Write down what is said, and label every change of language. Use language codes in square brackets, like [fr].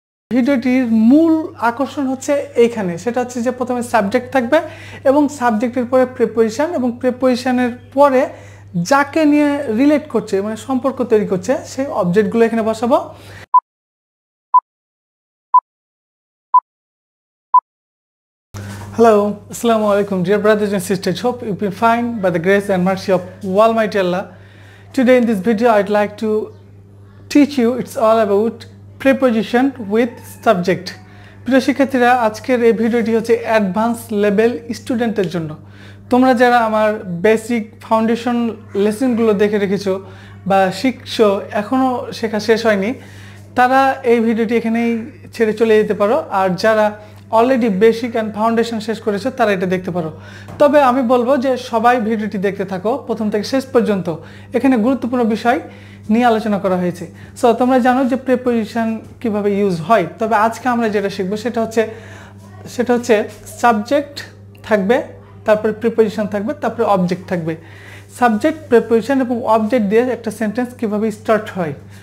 [bn] ভিডিওটির মূল আকর্ষণ হচ্ছে এখানে সেটা হচ্ছে যে প্রথমে সাবজেক্ট থাকবে এবং সাবজেক্টের পরে প্রিপজিশন এবং প্রিপজিশনের পরে যাকে নিয়ে রিলেট করছে মানে সম্পর্ক তৈরি করছে সেই অবজেক্টগুলো এখানে বসাবো [en] Hello, Assalamu alaikum, dear brothers and sisters. Hope you've been fine by the grace and mercy of Almighty Allah. Today in this video, I'd like to teach you it's all about preposition with subject. [bn] প্রিয় শিক্ষার্থীরা আজকের এই ভিডিওটি হচ্ছে advance level স্টুডেন্টদের জন্য তোমরা যারা আমার বেসিক ফাউন্ডেশন লেসনগুলো দেখে রেখেছো বা শিখছো এখনও শেখা শেষ হয়নি তারা এই ভিডিওটি এখানেই ছেড়ে চলে যেতে পারো আর যারা অলরেডি বেসিক অ্যান্ড ফাউন্ডেশন শেষ করেছো তারা এটা দেখতে পারো তবে আমি বলবো যে সবাই ভিডিওটি দেখতে থাকো প্রথম থেকে শেষ পর্যন্ত এখানে গুরুত্বপূর্ণ বিষয় নিয়ে আলোচনা করা হয়েছে সো তোমরা জানো যে প্রিপজিশন কিভাবে ইউজ হয় তবে আজকে আমরা যেটা শিখবো সেটা হচ্ছে সাবজেক্ট থাকবে তারপরে প্রিপজিশন থাকবে তারপরে অবজেক্ট থাকবে সাবজেক্ট প্রিপজিশন এবং অবজেক্ট দিয়ে একটা সেন্টেন্স কিভাবে স্টার্ট হয়